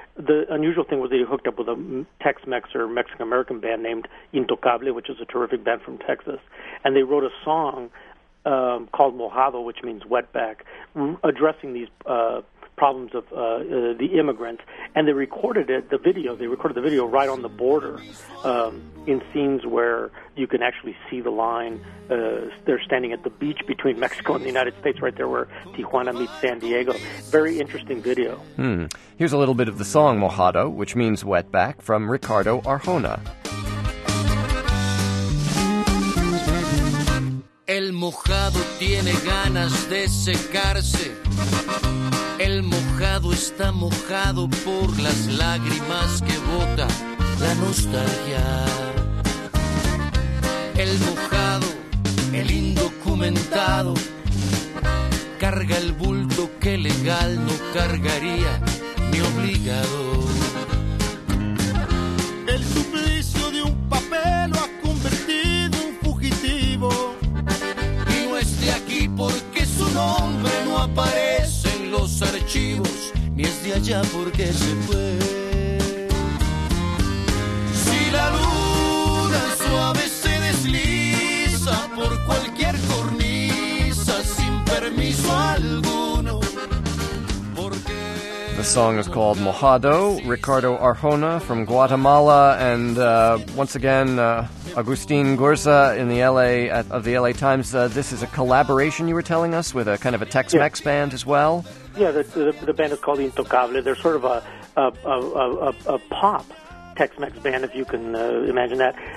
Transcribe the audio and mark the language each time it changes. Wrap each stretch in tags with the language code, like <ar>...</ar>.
<en>The unusual thing was that he hooked up with a Tex-Mex or Mexican-American band named Intocable, which is a terrific band from Texas, and they wrote a song called Mojado, which means wetback, addressing these problems of the immigrants, and they recorded it, the video right on the border, in scenes where you can actually see the line. They're standing at the beach between Mexico and the United States, right there where Tijuana meets San Diego. Very interesting video. Here's a little bit of the song Mojado, which means wetback, from Ricardo Arjona.</en> <es>El mojado tiene ganas de secarse. El mojado está mojado por las lágrimas que bota la nostalgia. El mojado, el indocumentado, carga el bulto que legal no cargaría ni obligado. El suplicio de un papel lo ha convertido en fugitivo y no esté aquí porque su nombre no aparece. Los archivos, ni es de allá porque se fue. Si la luna suave se desliza por cualquier cornisa sin permiso alguno, porque...</es> <en>The song is called Mojado, Ricardo Arjona from Guatemala, and once again, Agustin Gurza in the LA of the LA Times. This is a collaboration, you were telling us, with a kind of a Tex-Mex band as well. Yeah, the band is called Intocable. They're sort of a pop Tex-Mex band, if you can imagine that.</en>